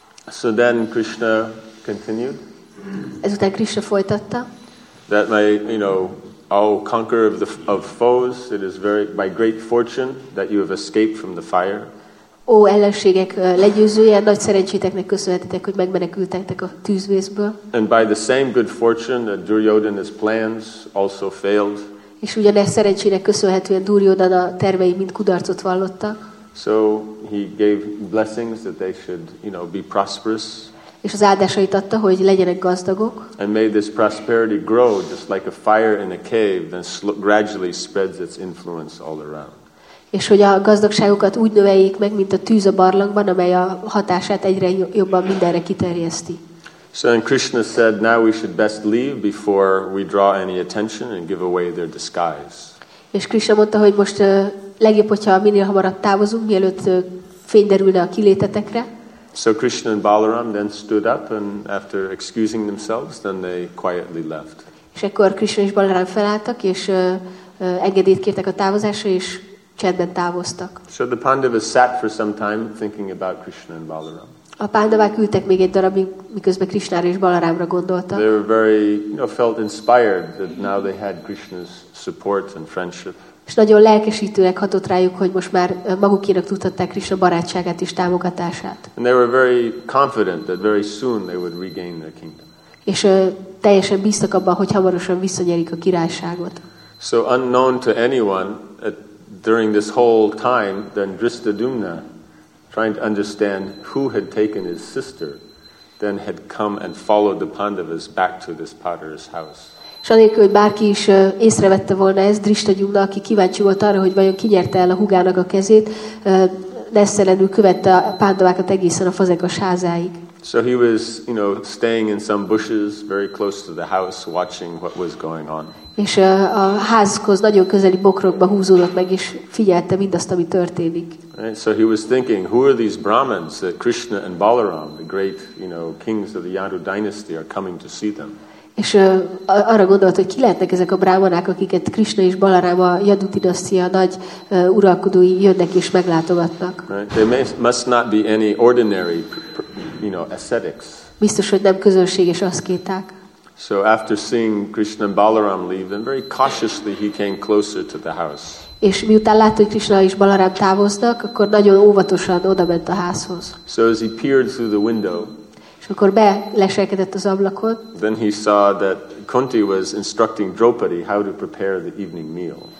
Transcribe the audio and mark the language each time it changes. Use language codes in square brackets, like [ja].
[en] So then Krishna continued. [hu] Ezután Krishna folytatta. [en] That my, you know, all conqueror of foes, it is very by great fortune that you have escaped from the fire. [hu] Ó, ellenségek legyőzője, nagy szerencséteknek köszönhetitek, hogy megmenekültek a tűzvészből. [en] And by the same good fortune that Duryodhana's plans also failed. [hu] És ugyanez szerencsének köszönhetően Duryodhana tervei mind kudarcot vallottak. [en] So he gave blessings that they should, you know, be prosperous. [hu] És az áldásait adta, hogy legyenek gazdagok. [en] And made this prosperity grow just like a fire in a cave, then gradually spreads its influence all around. [hu] És hogy a gazdagságukat úgy növeljék meg, mint a tűz a barlangban, amely a hatását egyre jobban mindenre kiterjeszti. [en] So then Krishna said, now we should best leave before we draw any attention and give away their disguise. [hu] És Krishna mondta, hogy most legjobb, hogyha minél hamarabb távozunk, mielőtt fény derülne a kilétetekre. [en] So Krishna and Balaram then stood up, and after excusing themselves, then they quietly left. [hu] És ekkor Krishna és Balaram felálltak, és engedélyt kértek a távozásra, és csendben távoztak. [en] So the Pandavas sat for some time thinking about Krishna and Balaram. [hu] A Pandavák ültek még egy darabig, miközben Krishnára és Balarámra gondoltak. [en] They were very, you know, felt inspired that now they had Krishna's support and friendship. [hu] És nagyon lelkesítőnek hatott rájuk, hogy most már magukénak tudhatták Krishna barátságát és támogatását. [en] And they were very confident that very soon they would regain their kingdom. [hu] És teljesen bíztak abban, hogy hamarosan visszanyerik a királyságot. [en] So unknown to anyone at, during this whole time, then Dhrishtadyumna, trying to understand who had taken his sister, then had come and followed the Pandavas back to this potter's house. [hu] És anélkül, hogy bárki is észrevette volna ezt, Dhrishtadyumna, aki kíváncsi volt arra, hogy vajon ki nyerte el a húgának a kezét, nesztelenül követte a Pandavákat egészen a fazekas házáig. [en] So he was, you know, staying in some bushes very close to the house, watching what was going on. [hu] És a házhoz nagyon közeli bokrokba húzódott meg, és figyelte mindazt, ami történik. [en] Right, so he was thinking, who are these Brahmins that Krishna and Balaram, the great, you know, kings of the Yadu dynasty, are coming to see them? [hu] És arra gondolt, hogy ki lehetnek ezek a brámanák, akiket Krishna és Balaram a Yadu dinasztia nagy uralkodói jönnek és meglátogatnak. [en] Right. They must not be any ordinary, you know, ascetics. [hu] Biztos, hogy nem közönséges aszkéták. [en] So after seeing Krishna and Balaram leave, then very cautiously he came closer to the house. [hu] És miután látta, hogy Krishna és Balaram távoznak, akkor nagyon óvatosan odament a házhoz. [en] So as he peered through the window, [hu] és akkor beleselkedett az ablakon. [en] Then he saw that Kunti was instructing Draupadi how to prepare the evening meal.